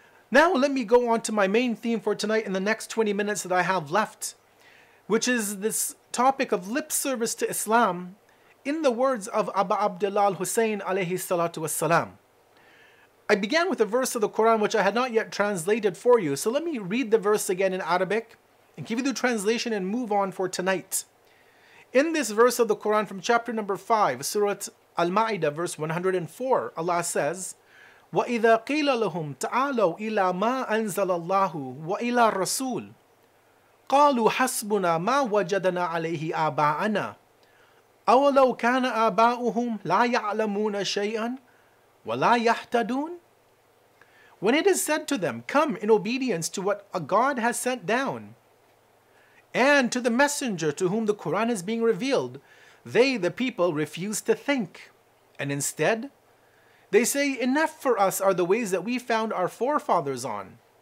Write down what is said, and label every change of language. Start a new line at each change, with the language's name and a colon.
English: Now, let me go on to my main theme for tonight in the next 20 minutes that I have left, which is this topic of lip service to Islam in the words of Abu Abdullah al-Hussein, alayhi as-salatu was-salam. I began with a verse of the Quran which I had not yet translated for you. So let me read the verse again in Arabic and give you the translation and move on for tonight. In this verse of the Quran from chapter number 5, Surah Al-Ma'idah, verse 104, Allah says,
Arabic: وَإِذَا قِيلَ لَهُمْ تَعَالَوْا إِلَى مَا أَنزَلَ اللَّهُ وَإِلَى الرَّسُولِ قَالُوا حَسْبُنَا مَا وَجَدَنَا عَلَيْهِ آبَاءَنَا أَوَلَوْ كَانَ آبَاؤُهُمْ لَا يَعْلَمُونَ شَيْئًا وَلَا يَحْتَدُونَ.
English: When it is said to them, come in obedience to what a God has sent down, and to the messenger to whom the Quran is being revealed, they, the people, refuse to think. And instead, they say, enough for us are the ways that we found our forefathers on.